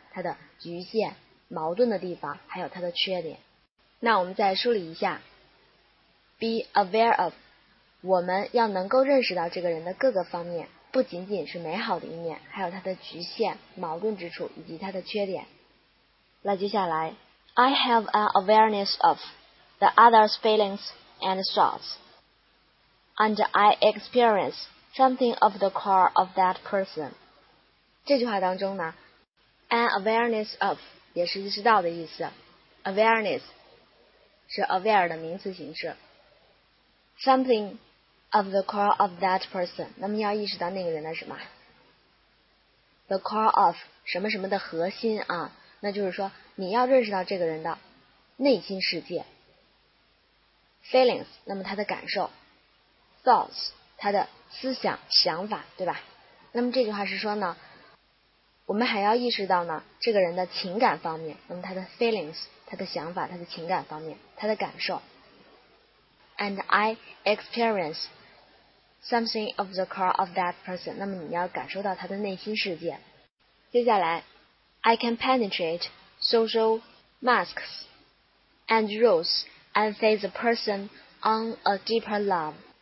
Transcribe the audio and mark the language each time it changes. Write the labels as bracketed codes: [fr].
[zh] 他的局限、矛盾的地方，还有他的缺点。那我们再梳理一下， [en] be aware of [zh] 我们要能够认识到这个人的各个方面，不仅仅是美好的一面，还有它的局限、矛盾之处以及它的缺点。那接下来 [en] I have an awareness of the other's feelings and thoughts, and I experience something of the core of that person. [zh] 这句话当中呢， [en] an awareness of [zh] 也是意识到的意思， awareness 是 aware 的名词形式， [en] somethingof the core of that person, [zh] 那么要意识到那个人的什么？ [en] the core of, [zh] 什么什么的核心啊，那就是说你要认识到这个人的内心世界。 feelings, 那么他的感受， thoughts, 他的思想、想法，对吧？那么这句话是说呢，我们还要意识到呢，这个人的情感方面，那么他的 feelings, 他的想法、他的情感方面、他的感受。 [en] And I experience something of the core of that person. [zh] 那么你要感受到他的内心世界。接下来 [en] I can penetrate social masks and rules and see the person on a deeper love.